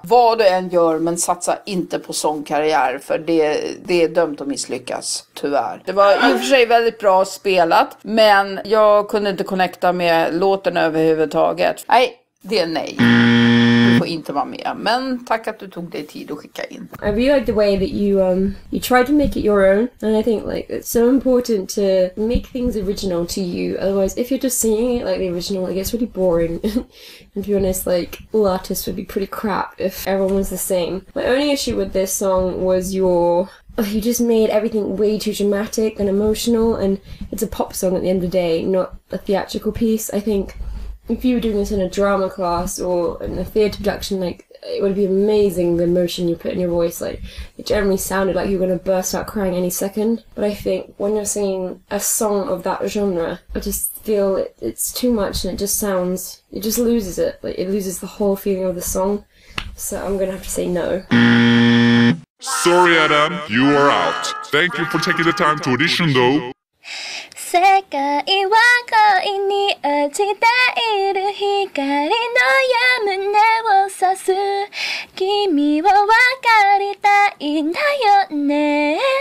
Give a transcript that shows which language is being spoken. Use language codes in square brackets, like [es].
[sv] Vad du än gör, men satsa inte på sångkarriär, för det är dömt att misslyckas, tyvärr. Det var i och för sig väldigt bra spelat, men jag kunde inte connecta med låten överhuvudtaget. Nej, det är nej. Du får inte vara med, men tack att du tog dig tid att skicka in. [en] I really like the way that you you tried to make it your own, and I think like it's so important to make things original to you. Otherwise, if you're just singing it like the original, it gets really boring. And to be honest, like all artists would be pretty crap if everyone was the same. My only issue with this song was you just made everything way too dramatic and emotional, and it's a pop song at the end of the day, not a theatrical piece. I think if you were doing this in a drama class or in a theatre production, like, it would be amazing the emotion you put in your voice. Like, it generally sounded like you were going to burst out crying any second. But I think when you're singing a song of that genre, I just feel it's too much and it just loses it. Like, it loses the whole feeling of the song. So I'm going to have to say no. Sorry, Adam, you are out. Thank you for taking the time to audition, though. [ja] 世界は恋に落ちている光の矢胸を刺す君を分かりたいんだよね